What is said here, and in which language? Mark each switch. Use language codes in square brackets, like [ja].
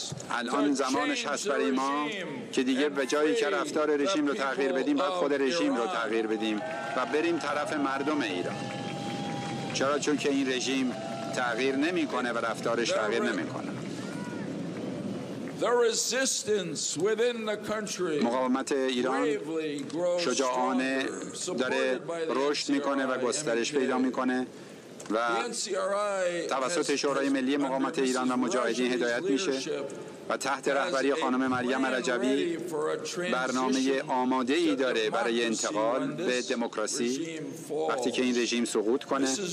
[fa] الان زمانش هست برای ما که دیگه به جایی که رفتار رژیم رو تغییر بدیم، باید خود رژیم رو تغییر بدیم و بریم طرف مردم ایران. چرا؟ چون که این رژیم تغییر نمی کنه و رفتارش تغییر نمی کنه. [en] The resistance within the country. [fa] مقاومت ایران شجاعانه داره رشد میکنه و گسترش پیدا میکنه. و توسط شورای ملی مقاومت ایران و مجاهدین هدایت میشه و تحت رهبری خانم مریم رجوی برنامه آماده ای داره برای انتقال به دموکراسی وقتی که این رژیم سقوط کنه.